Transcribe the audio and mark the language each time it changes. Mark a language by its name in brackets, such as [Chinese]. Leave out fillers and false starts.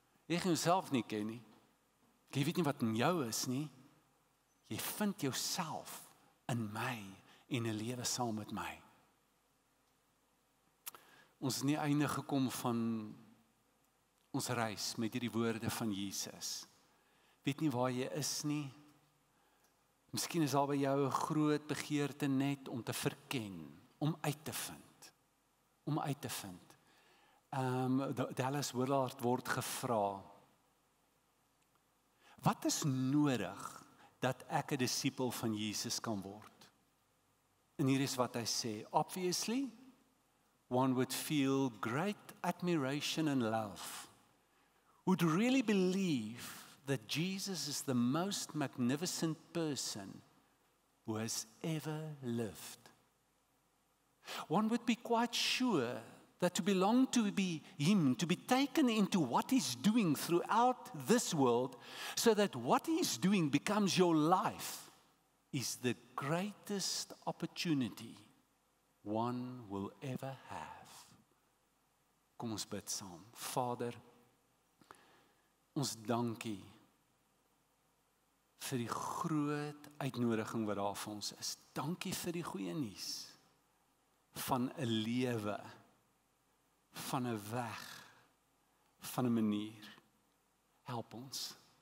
[Afrikaans] Jy gaan jouself nie ken nie. Jy weet nie wat in jou is nie. Jy vind jouself in my en een lewe saam met my. Ons is nie einde gekom van ons reis met die woorde van Jesus. Weet nie waar jy is nie. Misschien is al by jou een groot begeerte net om te verken, om uit te vind. Om uit te vind. Dallas Willard word gevra, wat is nodig dat ek een disciple van Jesus kan word? En hier is wat hy sê, [English] obviously, one would feel great admiration and love, would really believe that Jesus is the most magnificent person who has ever lived. One would be quite sure that to belong to be him, to be taken into what he's doing throughout this world, so that what he's doing becomes your life, is the greatest opportunity one will ever have. [Afrikaans] Kom ons bid saam. Vader, ons dankie vir die groot uitnodiging wat daar vir ons is. Dankie vir die goeie nuus van 'n lewe, van een weg, van een manier. Help ons.